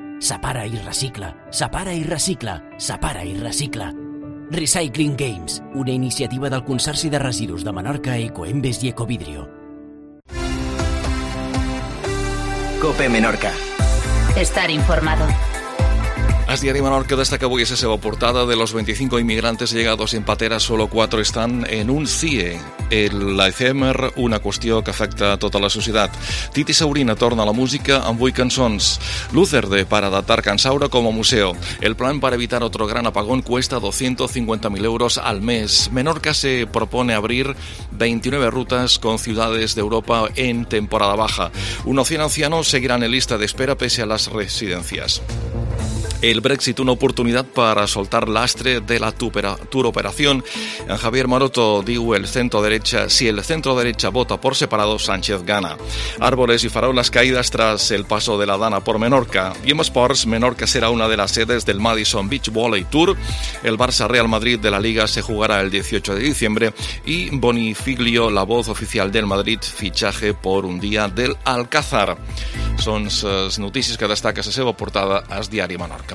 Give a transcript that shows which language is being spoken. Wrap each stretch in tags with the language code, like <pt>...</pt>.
<ca>Separa i recicla, separa i recicla, separa i recicla. Recycling Games, una iniciativa del Consorci de Residus de Menorca, Ecoembes i Ecovidrio. COPE Menorca.</ca> <es>Estar informado.</es> <ca>El diari Menorca destaca avui la seva portada.</ca> <es>De los 25 inmigrantes llegados en patera, solo 4 están en un CIE.</es> <ca>El Alzheimer, una qüestió que afecta a tota la societat. Titi Saurina torna a la música amb 8 cançons. Lúcer de para datar Cansaura com a museu.</ca> <es>El plan para evitar otro gran apagón cuesta 250.000 euros al mes. Menorca se propone abrir 29 rutas con ciudades de Europa en temporada baja. Unos 100 ancianos seguirán en lista de espera pese a las residencias. El Brexit, una oportunidad para soltar lastre de la turoperación. Javier Maroto, diu el centro-derecha, si el centro-derecha vota por separado, Sánchez gana. Árboles y farolas caídas tras el paso de la Dana por Menorca. Y en Sports, Menorca será una de las sedes del Madison Beach Volley Tour. El Barça-Real Madrid de la Liga se jugará el 18 de diciembre. Y Bonifiglio, la voz oficial del Madrid, fichaje por un día del Alcázar.</es> <ca>Són les notícies que destaca la seva portada al diari Menorca.</ca>